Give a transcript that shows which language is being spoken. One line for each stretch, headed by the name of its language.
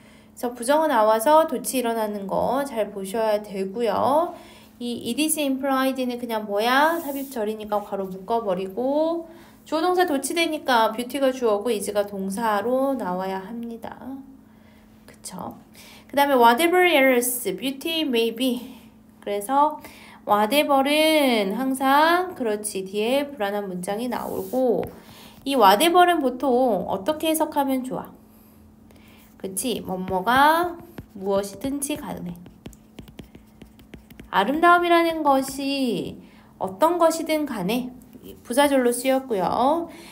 Korean: 그래서 부정어 나와서 도치 일어나는 거잘 보셔야 되고요. 이 it is implied는 그냥 뭐야? 삽입절이니까 괄호 묶어버리고 조동사 도치되니까 뷰티가 주어고 이즈가 동사로 나와야 합니다. 그쵸? 그 다음에
English: whatever else, beauty may be.
Korean: 그래서 whatever은 항상 그렇지 뒤에 불안한 문장이 나오고 이 whatever은 보통 어떻게 해석하면 좋아? 그치? 뭐뭐가 무엇이든지 가능해. 아름다움이라는 것이 어떤 것이든 간에 부사절로 쓰였고요.